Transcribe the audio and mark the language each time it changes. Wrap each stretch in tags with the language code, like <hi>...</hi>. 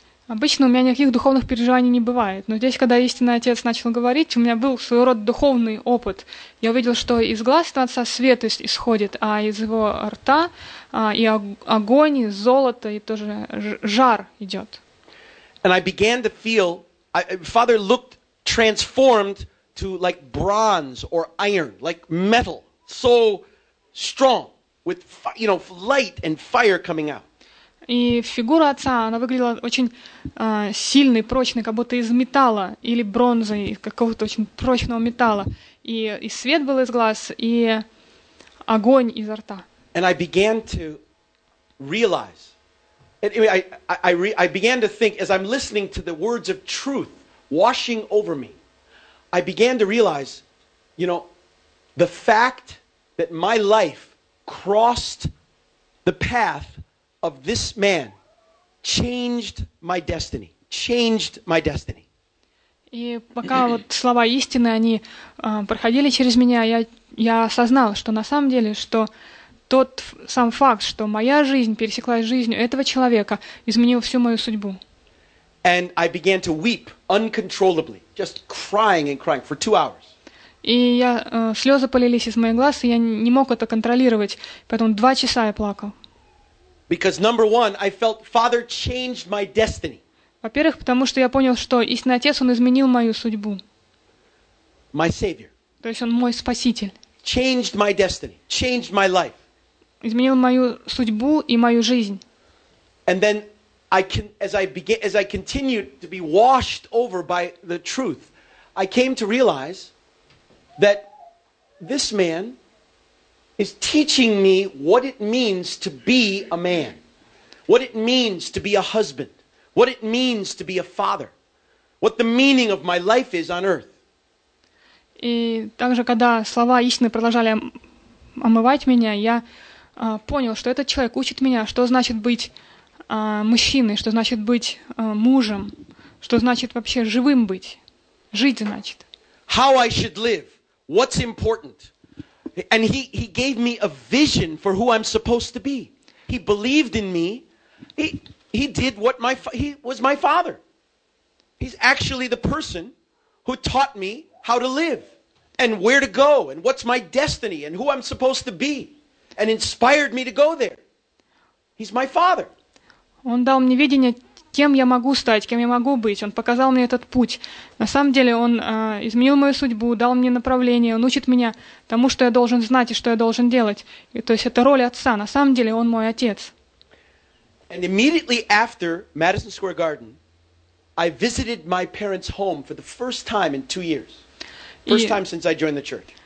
<ru>Обычно у меня никаких духовных переживаний не бывает. Но здесь, когда истинный отец начал говорить, у меня был своего рода духовный опыт. Я увидел, что из глаз отца свет исходит, а из его рта и огонь, и золото, и тоже жар идет.</ru> <en>And I began to feel, Father looked transformed to like bronze or iron, like metal, so strong, with, you know, light and fire coming out.</en> <ru>И фигура отца, она выглядела очень сильной, прочной, как будто из металла или бронзы, из какого-то очень прочного металла. И свет был из глаз, и огонь изо рта.</ru> <en>And I began to realize, I began to think, as I'm listening to the words of truth washing over me, I began to realize, you know, the fact that my life crossed the path of this man changed my destiny. Changed my destiny.</en> <ru>И пока вот слова истины, они проходили через меня, я осознал, что на самом деле, что тот сам факт, что моя жизнь пересеклась с жизнью этого человека, изменил всю мою судьбу.</ru> <en>And I began to weep uncontrollably, just crying and crying for 2 hours.</en> <ru>И я слезы полились из моих глаз, и я не мог это контролировать, поэтому 2 часа я плакал.</ru> <en>Because number one, I felt Father changed my destiny.</en> <ru>Во-первых, потому что я понял, что истинный Отец, Он изменил мою судьбу.</ru> <en>My Savior.</en> <ru>То есть Он мой Спаситель.</ru> <en>Changed my destiny, changed my life.</en> <ru>Изменил мою судьбу и мою жизнь.</ru> <en>And then as I continued to be washed over by the truth, I came to realize that this man is teaching me what it means to be a man, what it means to be a husband, what it means to be a father, what the meaning of my life is on earth.</en> <ru>И также, когда слова истины продолжали омывать меня, я понял, что этот человек учит меня, что значит быть мужчиной, что значит быть мужем, что значит вообще живым быть, жить значит.</ru> <en>How I should live, what's important. And he gave me a vision for who I'm supposed to be. He believed in me. He did what my, he was my father. He's actually the person who taught me how to live and where to go and what's my destiny and who I'm supposed to be and inspired me to go there. He's my father.</en> <ru>Он дал мне видение, кем я могу стать, кем я могу быть. Он показал мне этот путь. На самом деле, он изменил мою судьбу, дал мне направление, он учит меня тому, что я должен знать и что я должен делать. И, то есть это роль отца. На самом деле, он мой отец.</ru> <en>And immediately after Madison Square Garden, I visited my parents' home for the first time in 2 years. First time since I joined the church.</en>